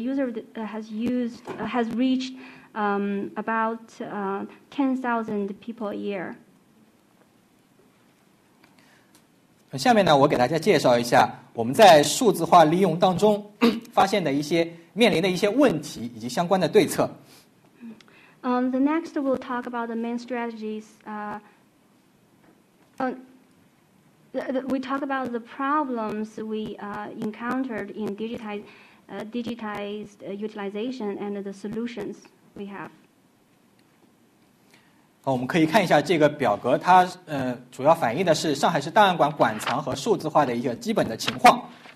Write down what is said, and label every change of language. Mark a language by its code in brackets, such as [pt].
[en] The user has reached about 10,000 people a year. [zh] 下面呢，我给大家介绍一下我们在数字化利用当中发现的一些面临的一些问题以及相关的对策。 [en] The next we'll talk about the main strategies. We talk about the problems we encountered in digitized utilization and the solutions we have. [zh] 我们可以看一下这个表格，它主要反映的是上海市档案馆馆藏和数字化的一个基本的情况。